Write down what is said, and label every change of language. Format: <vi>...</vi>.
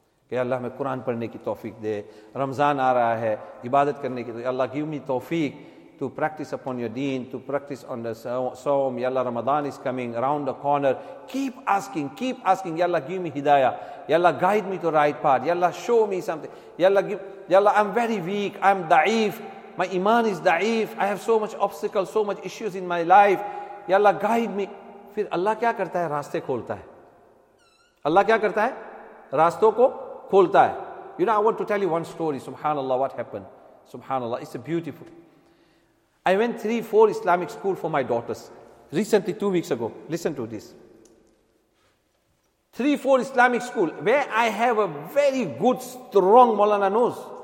<ur>کہ اللہ ہمیں قرآن پڑھنے کی توفیق دے, رمضان آ رہا ہے, عبادت کرنے کی, تو اللہ</ur> <en>give me توفیق to practice upon your deen, to practice on the saum, یا Allah Ramzan is coming around the corner, keep asking, یا Allah give me hidayah, یا Allah guide me to right path, یا Allah show me something, یا Allah I'm very weak, I'm da'if, my iman is da'if, I have so much obstacles, so much issues in my life, یا Allah guide me.</en> <ur>پھر اللہ کیا کرتا ہے, راستے کھولتا ہے. اللہ کیا کرتا ہے, راستوں کو کھولتا ہے.</ur> <en>You know, I want to tell you one story. Subhanallah, what happened? Subhanallah, it's a beautiful. I went 3-4 Islamic school for my daughters. Recently, 2 weeks ago. Listen to this. 3-4 Islamic school where I have a very good, strong Maulana knows.</en>